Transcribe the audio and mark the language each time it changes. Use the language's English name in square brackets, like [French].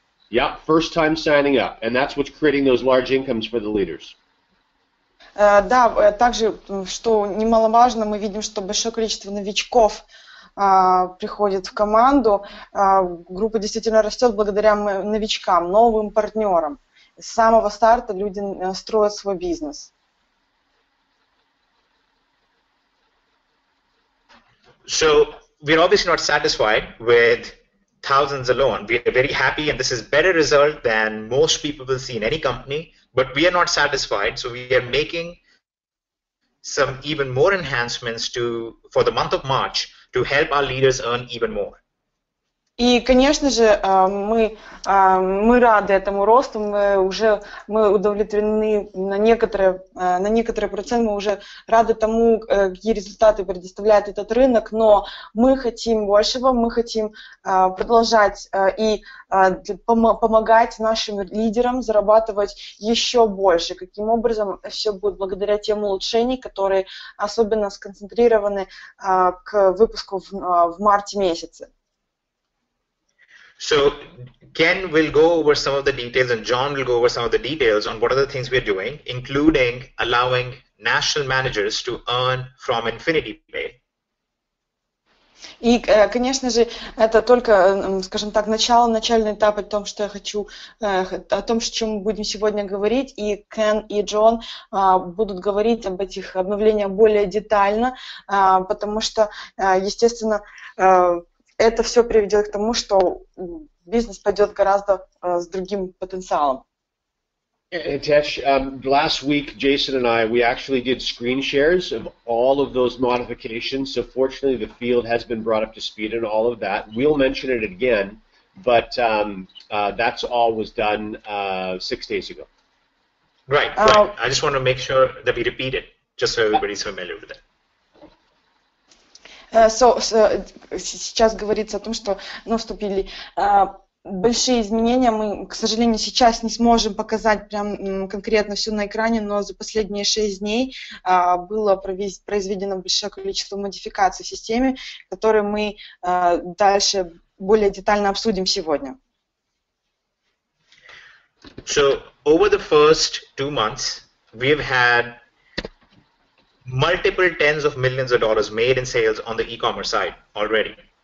[English] Yeah, first time signing up, and that's what's creating those large incomes for the leaders. [Russian] Да, также, что немаловажно, мы видим, что большое количество новичков приходит в команду. Группа действительно растет благодаря новичкам, новым партнерам. С самого старта люди строят свой бизнес. [English] So we're obviously not satisfied with thousands alone. We are very happy, and this is better result than most people will see in any company. But we are not satisfied, so we are making some even more enhancements to for the month of March to help our leaders earn even more. [Russian] И, конечно же, мы рады этому росту, мы удовлетворены на некоторые проценты, мы уже рады тому, какие результаты предоставляет этот рынок, но мы хотим большего, мы хотим продолжать и помогать нашим лидерам зарабатывать еще больше. Каким образом? Все будет благодаря тем улучшениям, которые особенно сконцентрированы к выпуску в марте месяце. [English] So Ken will go over some of the details and John will go over some of the details on what are the things we are doing, including allowing national managers to earn from Infinity Pay. [Russian] И, конечно же, это только, скажем так, начальный этап о том, о чем мы будем сегодня говорить, и Кен и Джон будут говорить об этих обновлениях более детально, потому что, естественно, это все приведет к тому, что бизнес пойдет гораздо с другим потенциалом. [English] Itesh, last week Jason and I, we actually did screen shares of all of those modifications, so fortunately the field has been brought up to speed and all of that. We'll mention it again, but that's all was done 6 days ago. Right. I just want to make sure that we repeat it, just so everybody's familiar with it. [Russian] Сейчас говорится о том, что вступили большие изменения. Мы, к сожалению, сейчас не сможем показать прям конкретно все на экране, но за последние 6 дней было произведено большое количество модификаций в системе, которые мы дальше более детально обсудим сегодня. [English] So, over the first 2 months, we've had multiple tens of millions of dollars made in sales on the e-commerce side already.